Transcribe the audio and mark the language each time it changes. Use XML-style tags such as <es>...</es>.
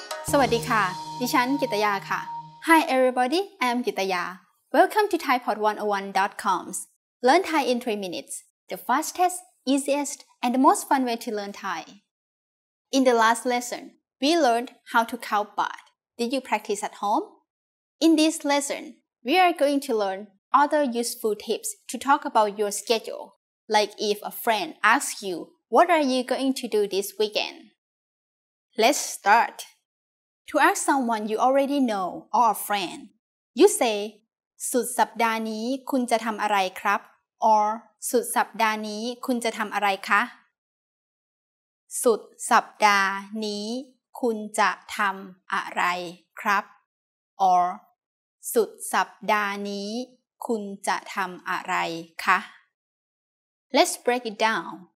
<th>สวัสดีค่ะดิฉันกิตยาค่ะ</th> <en>Hi everybody, I am Kitaya. Welcome to ThaiPod101.com's Learn Thai in 3 minutes, the fastest, easiest, and the most fun way to learn Thai. In the last lesson, we learned how to count baht. Did you practice at home? In this lesson, we are going to learn other useful tips to talk about your schedule, like if a friend asks you, what are you going to do this weekend? Let's start. To ask someone you already know or a friend, you say</en> <th>สุดสัปดาห์นี้คุณจะทำอะไรครับ or สุดสัปดาห์นี้คุณจะทำอะไรคะสุดสัปดาห์นี้คุณจะทำอะไรครับ or สุดสัปดาห์นี้คุณจะทำอะไรคะ</th> <en>Let's break it down.</en>